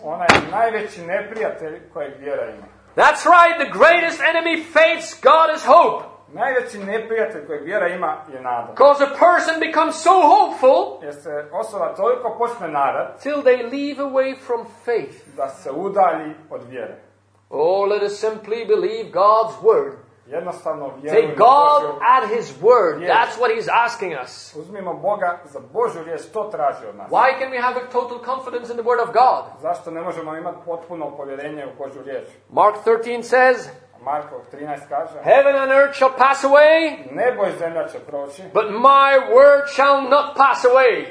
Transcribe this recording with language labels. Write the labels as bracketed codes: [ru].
[hr] Ona je najveći neprijatelj kojeg vjera ima. [en] That's right. The greatest enemy faith's God is hope. [hr] Najveći neprijatelj kojeg vjera ima je nada. [en] Because a person becomes so hopeful. [hr] Jer se osoba toliko počne nadat. [en] Till they leave away from faith. [hr] Da se udali od vjere. [en] Oh, let us simply believe God's word. [hr] Jednostavno vjerujemo. [en] Take God at His word. That's what He's asking us. [hr] Uzmimo Boga za Božju riječ, to traži od nas. [en] Why can we have a total confidence in the word of God? [hr] Zašto ne možemo imati potpuno povjerenje u Božju riječ? [en] Mark 13 says. [hr] Marko 13 kaže. [en] Heaven and earth shall pass away. [hr] Nebo i zemlja će proći. [en] But my word shall not pass away.